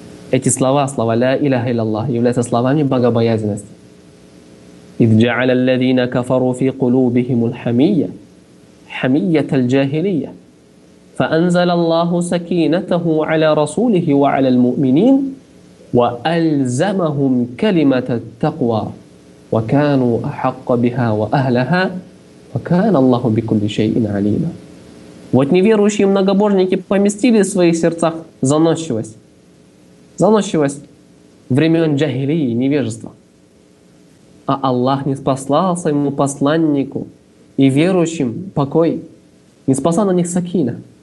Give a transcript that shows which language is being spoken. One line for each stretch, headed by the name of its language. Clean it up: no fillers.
Russian: Эти слова, слова
Arabic: «Ля илляха илляллах»,
Russian: являются словами богобоязненности.
Arabic: «Идь джа'аля ллазина кафару фи кулубихиму лхамия, хамията лджахилия, фа анзаля Аллаху сакинатаху аля расулихи ва аля лмуминин, وألزمهم كلمة التقوى وكانوا أحق بها وأهلها وكان الله بكل شيء عليما.
Russian: Вот неверующие многобожники поместили в своих сердцах заносчивость. Заносчивость времен джахилии, невежества. А Аллах ниспослал своему посланнику и верующим покой. Ниспослал на них сакина.